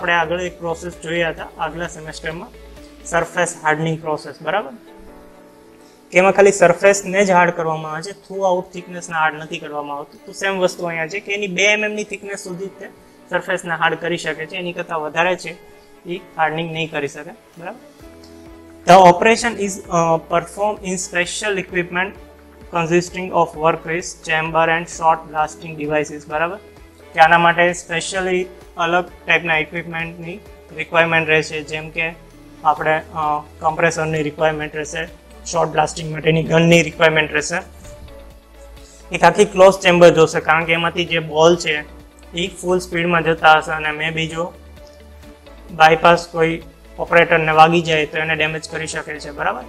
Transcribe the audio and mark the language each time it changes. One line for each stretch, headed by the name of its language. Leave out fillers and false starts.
Gujarati: આપણે આગળ એક પ્રોસેસ જોયા હતા આગલા સેમેસ્ટરમાં, સરફેસ હાર્ડનિંગ પ્રોસેસ, બરાબર. એમાં ખાલી સરફેસને જ હાર્ડ કરવામાં આવે છે, થ્રુ આઉટ થિકનેસને હાર્ડ નથી કરવામાં આવતું. તો સેમ વસ્તુ અહીંયા છે કે એની 2 mm થિકનેસ સુધી જ સરફેસને હાર્ડ કરી શકે છે, એની કરતાં વધારે છે એ હાર્ડનિંગ નહીં કરી શકે, બરાબર.
English: The operation is performed in special equipment consisting of workpiece, chamber and short blasting devices,
Gujarati: બરાબર. કે આના માટે સ્પેશિયલી અલગ ટાઈપના ઇક્વિપમેન્ટની રિક્વાયરમેન્ટ રહેશે, જેમ કે આપણે કમ્પ્રેસરની રિક્વાયરમેન્ટ રહેશે, શોર્ટ બ્લાસ્ટિંગ માટેની ગનની રિક્વાયરમેન્ટ રહેશે. એક આખી ક્લોઝ ચેમ્બર જોશે, કારણ કે એમાંથી જે બોલ છે એ ફૂલ સ્પીડમાં જતા હશે અને મે બી જો બાયપાસ કોઈ ઓપરેટરને વાગી જાય તો એને ડેમેજ કરી શકે છે, બરાબર.